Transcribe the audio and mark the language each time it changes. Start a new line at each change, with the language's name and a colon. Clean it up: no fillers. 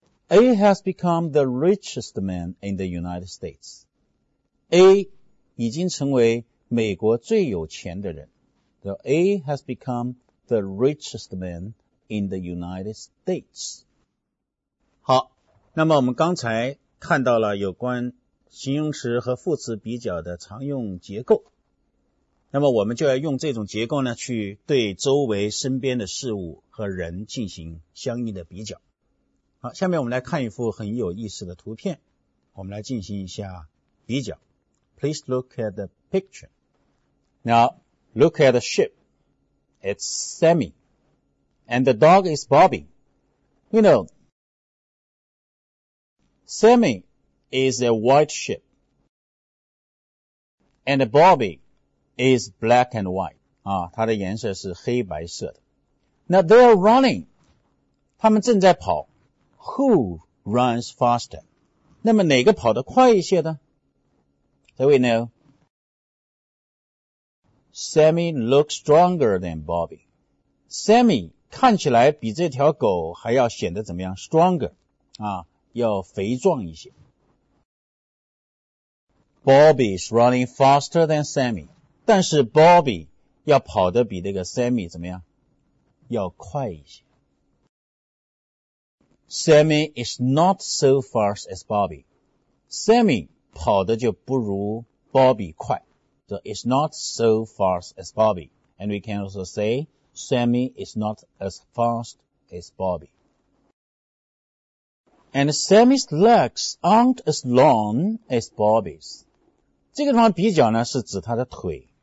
English: A has become the richest man in the United States.
Chinese: A 已经成为美国最有钱的人。
English: So A has become the richest man in the United States.
Chinese: 好，那么我们刚才看到了有关形容词和副词比较的常用结构，那么我们就要用这种结构呢，去对周围身边的事物和人进行相应的比较。好，下面我们来看一幅很有意思的图片，我们来进行一下比较。
English: Please look at the picture. Now, look at the ship. It's Sammy. And the dog is Bobby. You know,Sammy is a white ship, and Bobby is black and white.
Chinese: 啊，它的颜色是黑白色的。
English: Now they are running,
Chinese: 他们正在跑。
English: Who runs faster?
Chinese: 那么哪个跑得快一些呢？
English: So we know, Sammy looks stronger than Bobby.
Chinese: Sammy 看起来比这条狗还要显得怎么样 ？Stronger, 啊。要肥壮一些。
English: Bobby is running faster than Sammy.
Chinese: 但是 Bobby 要跑得比这个 Sammy 怎么样？要快一些。
English: Sammy is not so fast as Bobby.
Chinese: Sammy 跑得就不如 Bobby 快。
English: So it's not so fast as Bobby. And we can also say, Sammy is not as fast as Bobby. And Sammy's legs aren't as long as Bobby's.
Chinese: 这个地方比较呢是指他的腿。